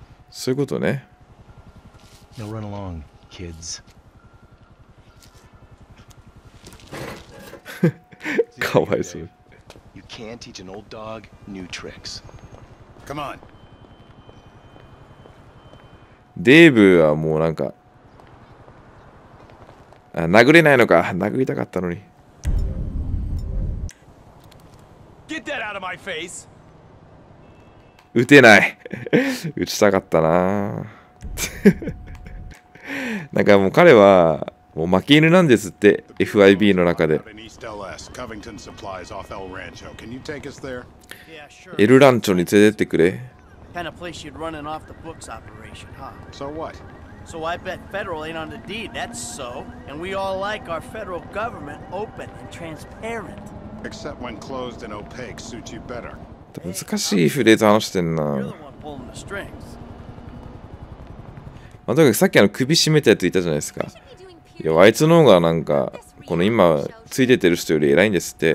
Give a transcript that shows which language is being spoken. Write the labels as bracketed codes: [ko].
[ja] そういうことね。 [en] Now run along, kids. [ja] かわいそう。 [en] You can't teach an old dog new tricks. Come on. [ja] デイブはもうなんか、あ、殴れないのか。殴りたかったのに。 [en] Get that out of my face. [ja] 撃てない。撃ちたかったな。なんかもう彼は。もう負け犬なんですって、FIB の中で。エルランチョに連れてってくれ。 [en] So I bet federal ain't on the deed, that's so. And we all like our federal government open and transparent. Except when closed and opaque suits you better. [ja] 難しいフレーズ話してんな。まあ、とにかくさっきあの首絞めたやついたじゃないですか。いや、あいつの方がなんか、この今、ついててる人より偉いんですって。